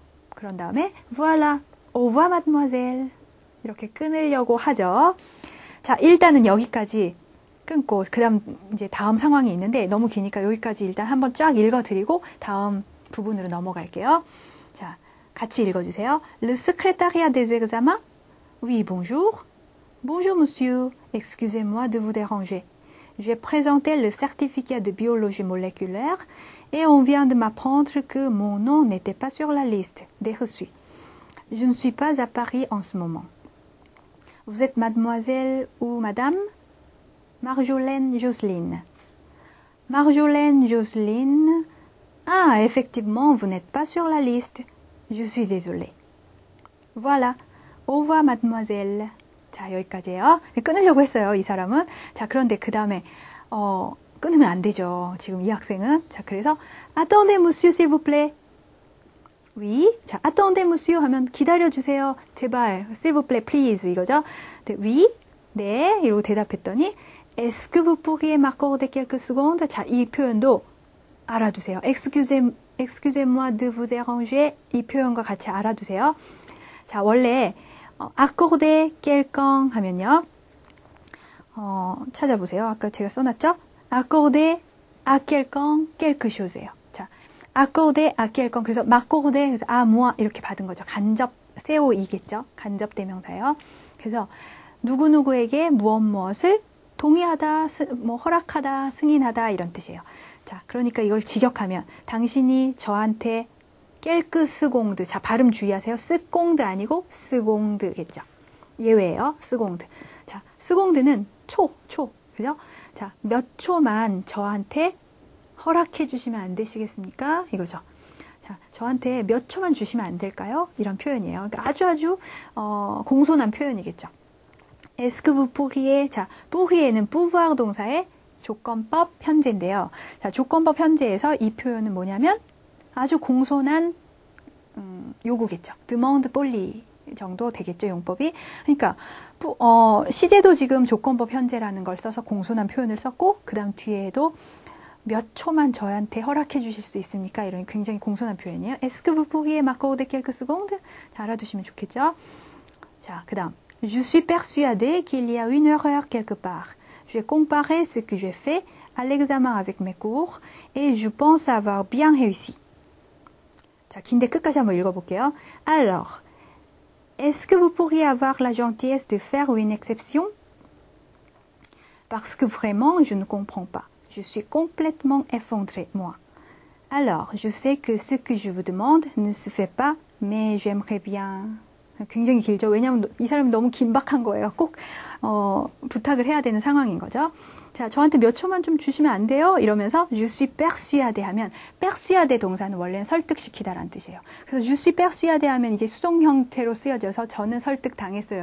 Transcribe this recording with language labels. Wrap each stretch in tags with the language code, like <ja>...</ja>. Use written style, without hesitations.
<ko>그런 다음에 voilà.</ko> <fr>Au revoir, mademoiselle.</fr> <ko>이렇게 끊으려고 하죠. 자, 일단은 여기까지 끊고 그다음 이제 다음 상황이 있는데 너무 기니까 여기까지 일단 한번 쫙 읽어드리고 다음 부분으로 넘어갈게요. 자, 같이 읽어주세요.</ko> <fr>Le secrétariat des examens? Oui, bonjour. Bonjour, monsieur. Excusez-moi de vous déranger. J'ai présenté le certificat de biologie moléculaire et on vient de m'apprendre que mon nom n'était pas sur la liste des reçus. Je ne suis pas à Paris en ce moment. Vous êtes mademoiselle ou madame? Marjolaine Jocelyne. Marjolaine Jocelyne. Ah, effectivement, vous n'êtes pas sur la liste. Je suis désolée. Voilà. Au revoir, mademoiselle.</fr> <ko>자, 여기까지예요. 끊으려고 했어요, 이 사람은. 자, 그런데 그 다음에, 끊으면 안 되죠. 지금 이 학생은. 자, 그래서,</ko> <fr>Attendez, monsieur, s'il vous plaît. Oui.</fr> <ko>자, Attendez, monsieur 하면 기다려주세요. 제발.</ko> <fr>S'il vous plaît,</fr> <ko>please. 이거죠. 네, oui. 네. 이러고 대답했더니,</ko> <fr>Est-ce que vous pourriez m'accorder quelques secondes?</fr> <ko>자, 이 표현도 알아두세요.</ko> <fr>Excusez-moi de vous déranger.</fr> <ko>이 표현과 같이 알아두세요. 자, 원래 accorder quelqu'un 하면요. 찾아보세요. 아까 제가 써놨죠?</ko> <fr>Accorder à quelqu'un quelque chose예요. 자, accorder à quelqu'un.</fr> <ko>그래서 m'accorder, 그래서 à moi 이렇게 받은 거죠. 간접, 세오이겠죠? 간접 대명사예요. 그래서 누구누구에게 무엇무엇을 동의하다, 뭐 허락하다, 승인하다 이런 뜻이에요. 자, 그러니까 이걸 직역하면 당신이 저한테 깰끄스공드. 자, 발음 주의하세요. 쓰공드 아니고 쓰공드겠죠. 예외예요. 쓰공드. 자, 쓰공드는 초, 그죠? 자, 몇 초만 저한테 허락해 주시면 안 되시겠습니까? 이거죠. 자, 저한테 몇 초만 주시면 안 될까요? 이런 표현이에요. 그러니까 아주 공손한 표현이겠죠.</ko> <fr>Est-ce que vous pourriez,</fr> <ko>자, pourriez는 pouvoir 동사의 조건법 현재인데요. 자, 조건법 현재에서 이 표현은 뭐냐면 아주 공손한, 요구겠죠.</ko> <fr>demande poli</fr> <ko>정도 되겠죠, 용법이. 그러니까, 시제도 지금 조건법 현재라는 걸 써서 공손한 표현을 썼고, 그 다음 뒤에도 몇 초만 저한테 허락해 주실 수 있습니까? 이런 굉장히 공손한 표현이에요.</ko> <fr>Est-ce que vous pourriez m'accorder quelques secondes?</fr> <ko>알아두시면 좋겠죠. 자, 그 다음.</ko> <fr>Je suis persuadée qu'il y a une erreur quelque part. J'ai comparé ce que j'ai fait à l'examen avec mes cours et je pense avoir bien réussi.</fr> <ko>자, 긴데 끝까지 한번 읽어볼게요.</ko> <fr>Alors, est-ce que vous pourriez avoir la gentillesse de faire une exception? Parce que vraiment, je ne comprends pas. Je suis complètement effondrée, moi. Alors, je sais que ce que je vous demande ne se fait pas, mais j'aimerais bien...</fr> <ko>굉장히 길죠. 왜냐하면 이 사람이 너무 긴박한 거예요. 꼭 부탁을 해야 되는 상황인 거죠. 자, 저한테 몇 초만 좀 주시면 안 돼요? 이러면서</ko> <fr>Je suis persuadé</fr> <ko>하면 persuadé 동사는 원래는 설득시키다라는 뜻이에요. 그래서</ko> <fr>Je suis persuadé</fr> <ko>하면 이제 수동 형태로 쓰여져서 저는 설득당했어요.</ko>